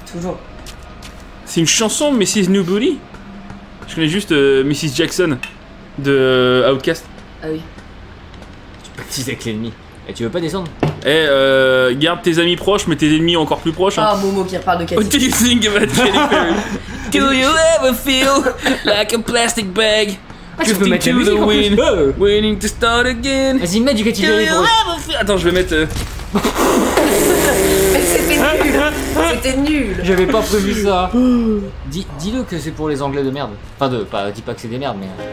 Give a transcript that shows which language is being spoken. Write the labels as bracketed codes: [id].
[fr] Toujours. C'est une chanson de Mrs. New Booty. Je connais juste Mrs. Jackson de Outkast. Ah oui. Tu pactises avec l'ennemi. Et tu veux pas descendre? Eh, garde tes amis proches, mais tes ennemis encore plus proches. Ah, hein. Momo qui reparle de Katy. [en] What do you think about Katy Perry? Do you ever feel like a plastic bag? [fr] Ah, tu peux mettre la musique en plus. [en] Winning to start again. [fr] Vas-y, mets du Katy Perry. Attends, je vais mettre. Mais c'était nul. J'avais pas prévu ça. Dis-le que c'est pour les Anglais de merde. Enfin, dis pas que c'est des merdes, mais.